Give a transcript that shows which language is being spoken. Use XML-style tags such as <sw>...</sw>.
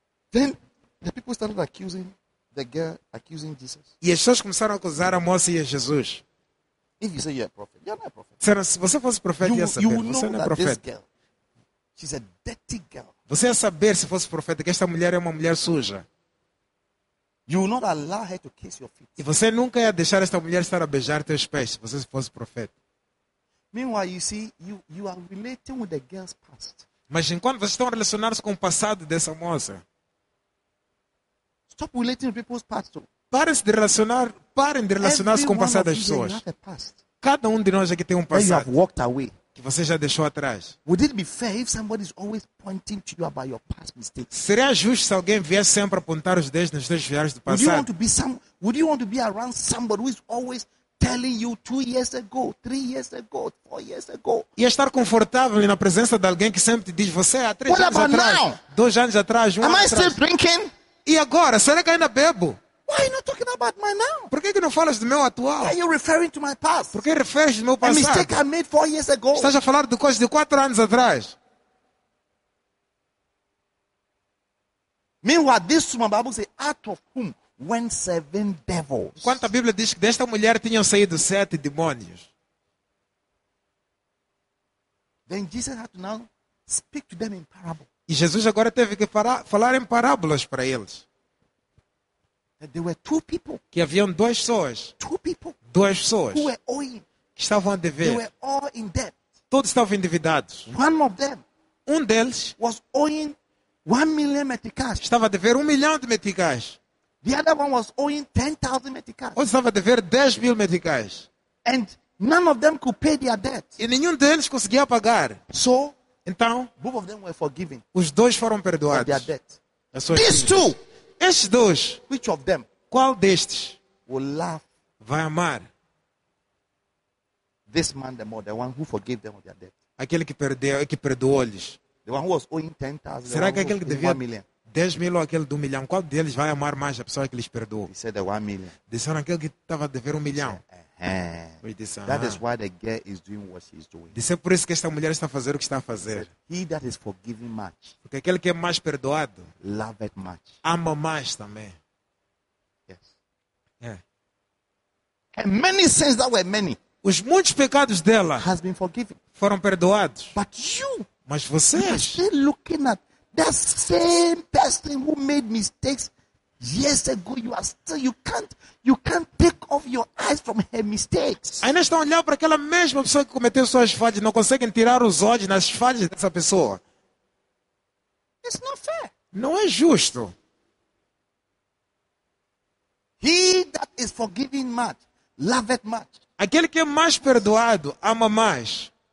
<en>Then the people started accusing the girl, accusing Jesus.</en> <pt>E as pessoas começaram a acusar a moça e a Jesus.</pt> <en>If you say you're a prophet, you're not a prophet.</en> <pt>Disseram, se você fosse profeta, ia saber.</pt> <en>You</en> <pt>você</pt> <en>know</en> <pt>não é</pt> <en>that</en> <pt>profeta.</pt> <en>This girl, she's a dirty girl.</en> <pt>Você ia saber, se fosse profeta, que esta mulher é uma mulher suja.</pt> <en>You will not allow her to kiss your feet.</en> <pt>E você nunca ia deixar esta mulher estar a beijar teus pés, se você fosse profeta.</pt> <en>Meanwhile, you see, you are relating with the girl's past.</en> <pt>Mas enquanto vocês estão relacionados com o passado dessa moça.</pt> <en>Stop relating with people's past, too.</en> <pt>Parem de relacionar-se com o passado das pessoas.</pt> <en>Past.</en> <pt>Cada um de nós aqui tem um passado.</pt> <en>You have walked away.</en> <pt>Que você já deixou atrás.</pt> <en>Would it be fair if somebody is always pointing to you about your past mistakes?</en> <pt>Seria justo se alguém viesse sempre apontar os dedos nos teus viagens do passado?</pt> <en>Would you want to be would you want to be around somebody who is always telling you 2 years ago, 3 years ago, 4 years ago?</en> <pt>E estar confortável na presença de alguém que sempre te diz você há 3 anos atrás,</pt> <en>now?</en> <pt>2 anos atrás, um</pt> <en>Am</en> <pt>ano</pt> <en>I</en> <pt>atrás.</pt> <en>Still drinking?</en> <pt>E agora, será que ainda bebo?</pt> <en>Why are you not talking about my now?</en> <pt>Por que não falas do meu atual?</pt> <en>Why are you referring to my past?</en> <pt>Por que referes do meu passado?</pt> <en>A mistake I made 4 years ago.</en> <pt>Estás a falar de coisas de 4 anos atrás.</pt> <en>Meanwhile, this woman, Bible says, out of whom went 7 devils.</en> <pt>Enquanto a Bíblia diz que desta mulher tinham saído 7 demônios.</pt> <en>Then Jesus had to now speak to them in parable.</en> <pt>E Jesus agora teve que falar em parábolas para eles.</pt> <en>There were two people.</en> <pt>Que haviam duas pessoas.</pt> <en>Two people.</en> <pt>Duas pessoas.</pt> <en>Who were owing.</en> <pt>Que estavam a dever.</pt> <en>They were all in debt.</en> <pt>Todos estavam endividados.</pt> <en>One of them.</en> <pt>Um deles.</pt> <en>Was owing 1 million meticais.</en> <pt>Estava a dever 1 milhão de meticais.</pt> <en>The other one was owing 10,000 meticais.</en> <pt>Outro estava a dever 10,000 meticais.</pt> <en>And none of them could pay their debt.</en> <pt>E nenhum deles conseguia pagar.</pt> <en>So.</en> <pt>Então.</pt> <en>Both of them were forgiven.</en> <pt>Os dois foram perdoados.</pt> <en>Their debt.</en> <pt>As suas</pt> <en>These two.</en> <pt>Estes dois,</pt> <en>which of them,</en> <pt>qual destes,</pt> <en>will laugh,</en> <pt>vai amar,</pt> <en>this man the more, the one who forgave them of their debt,</en> <pt>aquele que perdeu, que perdoou-lhes,</pt> <en>the one who was owing 10,000,</en> <pt>será que aquele que devia</pt> <en>1 million,</en> <pt>10,000 ou aquele do 1 milhão, qual deles vai amar mais a pessoa que lhes perdoou?</pt> <en>He said the 1 million,</en> <pt>disseram aquele que estava a dever 1 milhão,</pt> <en>that is why the girl is doing what she is doing,</en> <pt>disse por isso que esta mulher está a fazer o que está a fazer.</pt> <en>He that is forgiving much,</en> <pt>porque aquele que é mais perdoado,</pt> <en>love it much,</en> <pt>ama mais também.</pt> <en>Yes. Yeah. And many sins that were many,</en> <pt>os muitos pecados dela,</pt> <en>has been forgiven,</en> <pt>foram perdoados.</pt> <en>But you,</en> <pt>mas vocês,</pt> <en>you are still looking at that same person who made mistakes years ago. You are still, you can't take off your eyes from her mistakes.</en> <pt>Ainda estão olhando para aquela mesma pessoa que cometeu suas falhas, não conseguem tirar os olhos nas falhas dessa pessoa.</pt> <en>It's not fair.</en> <pt>Não é justo.</pt> <en>He that is forgiving much, loveth much.</en> <pt>Aquele que é mais perdoado, ama mais.</pt>